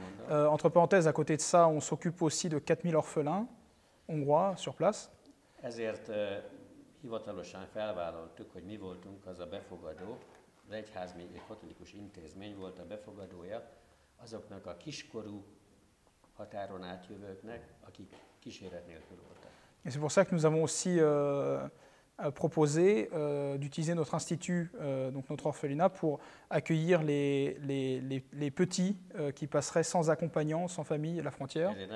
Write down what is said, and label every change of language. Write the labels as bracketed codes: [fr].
[fr] Entre parenthèses, à côté de ça, on s'occupe aussi de 4000 orphelins hongrois sur place. [hu] Ezért hivatalosan felvállaltuk, hogy mi voltunk az a befogadó, az egyház, egy katolikus intézmény volt a befogadója azoknak a kiskorú határon átjövőknek, akik kíséret nélkül voltak. [fr] Et c'est pour ça que nous avons aussi proposé d'utiliser notre institut, donc notre orphelinat, pour accueillir les petits qui passeraient sans accompagnant, sans famille, à la frontière.